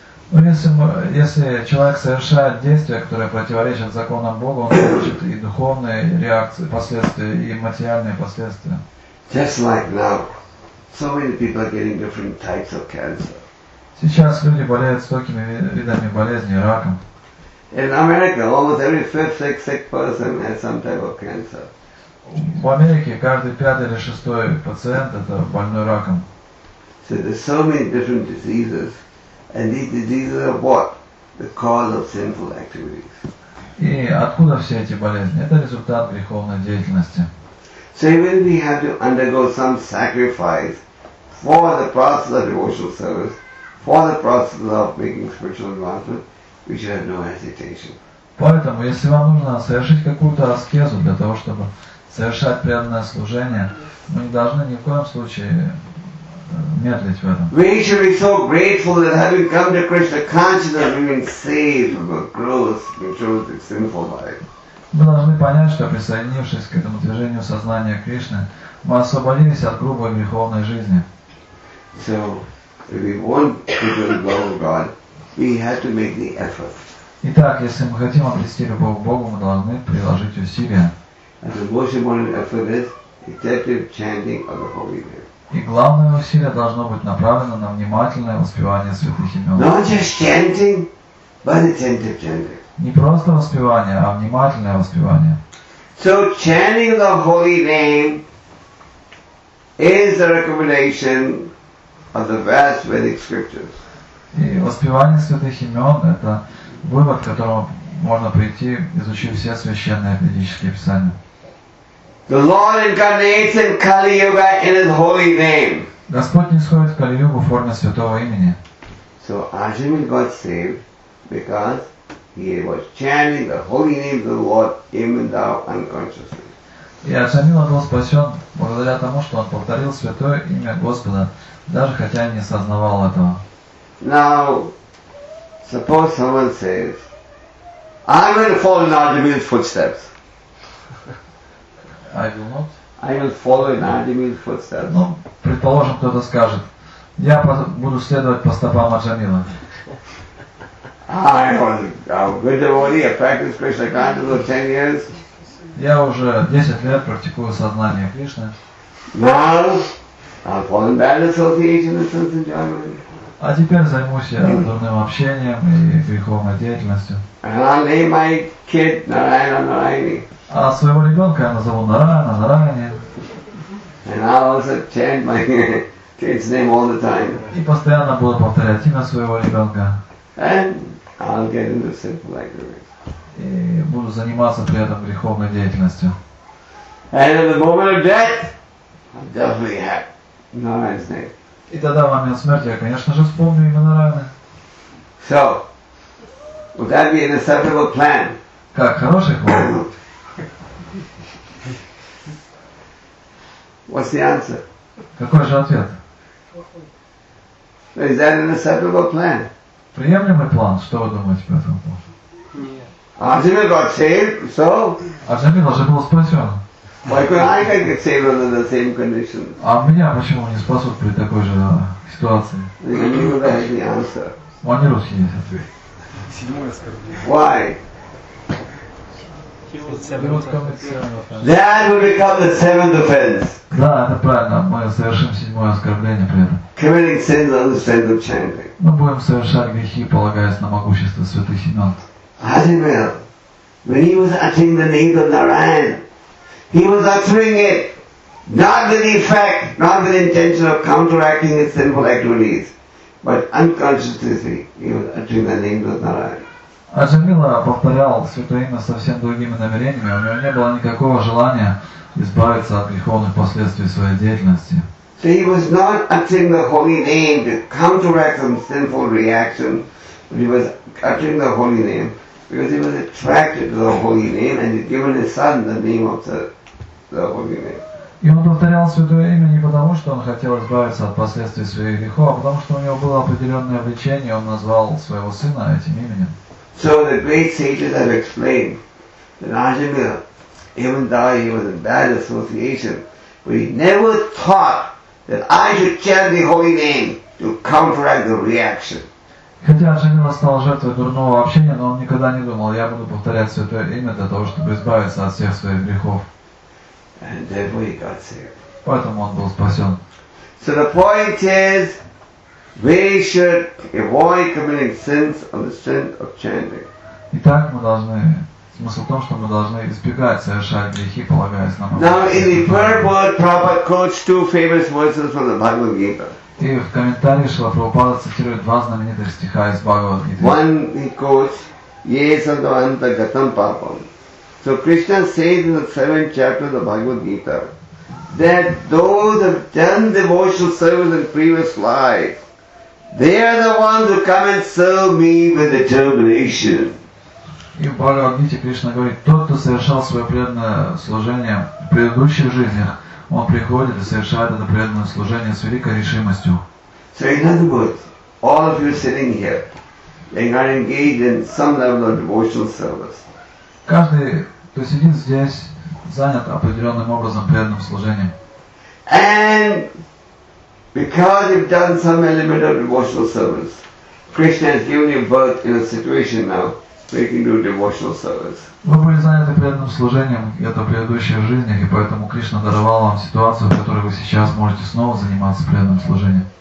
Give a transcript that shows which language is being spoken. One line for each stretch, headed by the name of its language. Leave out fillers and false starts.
Russian: Но если человек совершает действия, которые противоречат законам Бога, он получит и духовные реакции, последствия, и материальные последствия.
English: Just like now, so many people are getting different types of cancer.
Russian: Сейчас люди болеют столькими видами болезней, раком.
English: In America, almost every fifth, sixth, sick person has some type of cancer.
Russian: В Америке каждый пятый или шестой пациент это больной раком.
English: So there's so many different diseases. And these diseases are what? The cause of sinful activities.
Russian: И откуда все эти болезни? Это результат греховной деятельности.
English: So even if we have to undergo some sacrifice for the process of devotional service, for the process of making spiritual advancement, we should have no hesitation.
Russian: Поэтому, если вам нужно совершить какую-то аскезу для того, чтобы совершать преданное служение, мы не должны ни в коем случае
English: We should be so grateful that having come to Krishna consciousness, we've been saved from a gross, intrusive, sinful life.
Russian: Мы должны понять, что присоединившись к этому движению сознания Кришны, мы освободились от грубой греховной жизни.
English: So, if we want to do the will of God, we have to make the effort.
Russian: Итак, если мы хотим обрести любовь к Богу, мы должны приложить усилия.
English: And the most important effort is effective chanting of the Holy Name.
Russian: И главное усилие должно быть направлено на внимательное воспевание святых имен.
English: Not just chanting, but attentive chanting.
Russian: Не просто воспевание, а внимательное воспевание.
English: So chanting the holy name is the recommendation of the vast Vedic scriptures.
Russian: И воспевание святых имен – это вывод, к которому можно прийти, изучив все священные ведические писания.
English: The Lord incarnates in Kali Yuga in His holy name.
Russian: Господь нисходит в Кали Югу в форме святого имени.
English: So Arjuna got saved because he was chanting the holy name of the Lord even though unconsciously.
Russian: И Арджуна был спасен благодаря тому, что он повторил святое имя Господа, даже хотя и не сознавал этого.
English: Now, suppose someone says, "I'm going to follow in Arjuna's footsteps." I will not. I will follow in Arjuna's footsteps.
Russian: Ну, предположим, кто-то скажет, я буду следовать по стопам Арджуны.
English: I'm a good devotee. I practice Krishna consciousness for 10 years.
Russian: Я уже 10 лет практикую сознание Кришны.
English: Now, I'm following bad association and sense enjoyment.
Russian: А теперь займусь я дурным общением и греховной деятельностью.
English: And I'll name my kid Narayana Narayani.
Russian: А своего ребенка я назову Нарайана, Нарайани.
English: And I also chant my kid's name all the time.
Russian: И постоянно буду повторять имя своего ребенка.
English: And I'll get into simple activities.
Russian: И буду заниматься при этом греховной деятельностью.
English: And at the moment of death, I'll definitely have Narayana's name.
Russian: И тогда в момент смерти я, конечно же, вспомню имя Нарайана.
English: So, would that be an acceptable plan?
Russian: Так, хороший ход. У вас не ответ. Какой же ответ?
English: Is that an acceptable plan?
Russian: Приемлемый план, что вы думаете по этому поводу?
English: Arjuna got saved, so?
Russian: Arjuna уже был спасен.
English: Why could I get saved under the same conditions?
Russian: А меня почему не спасут при такой же ситуации?
English: You don't have any answer.
Russian: У Ани Русхи есть ответ.
English: Why? That will become the seventh offense.
Russian: Да, это правильно. Мы совершим седьмое оскорбление при этом.
English: Committing sins on the strength of chanting.
Russian: Мы будем совершать грехи, полагаясь на могущество святых имен.
English: Ajimil, when he was uttering the name of Narayan, he was uttering it not with the effect, not with the intention of counteracting his sinful activities, but unconsciously he was uttering the name of Narayan.
Russian: Аджамила повторял святое имя совсем другими намерениями, у него не было никакого желания избавиться от греховных последствий своей деятельности.
English: So he was not uttering the holy name to counteract some sinful reaction, but he was uttering the holy name because he was attracted to the holy name and he'd given his son the name of the holy name.
Russian: И он повторял святое имя не потому, что он хотел избавиться от последствий своих грехов, а потому что у него было определенное влечение, он назвал своего сына этим именем.
English: So the great sages have explained that Ajamila, even though he was in bad association, but he never thought that I should chant the holy name to counteract the reaction.
Russian: Хотя Ажамила стал жертвой дурного общения, но он никогда не думал, я буду повторять святое имя для того, чтобы избавиться от всех своих грехов.
English: And therefore he got saved.
Russian: Поэтому он был спасен.
English: So the point is, we should avoid committing sins on the strength of chanting.
Russian: Итак, мы должны. Смысл в том, что мы должны избегать совершать грехи, полагаясь на Бога.
English: Now in the Prabhupada Prabhupada quotes two famous verses from the Bhagavad Gita.
Russian: И в комментарии Шрила Прабхупада цитирует два знаменитых стиха из Бхагавад Гиты.
English: One he quotes, Yesandavanta Gatam Papam. So Krishna says in the seventh chapter of the Bhagavad Gita that those have done devotional service in previous life, they are the ones who come and serve me with determination.
Russian: И в Бхагавад Гите Кришна говорит, тот, кто совершал свое преданное служение в предыдущих жизнях, он приходит и совершает это преданное служение с великой решимостью.
English: So in other words, all of you sitting here, you are engaged in some level of devotional service.
Russian: Каждый, кто сидит здесь, занят определенным образом преданным служением.
English: And because you've done some element of devotional service, Krishna has given you birth in a situation now where you can do devotional service.
Russian: Вы были заняты преданным служением где-то в предыдущих жизнях, и поэтому Кришна даровал вам ситуацию, в которой вы сейчас можете снова заниматься преданным служением.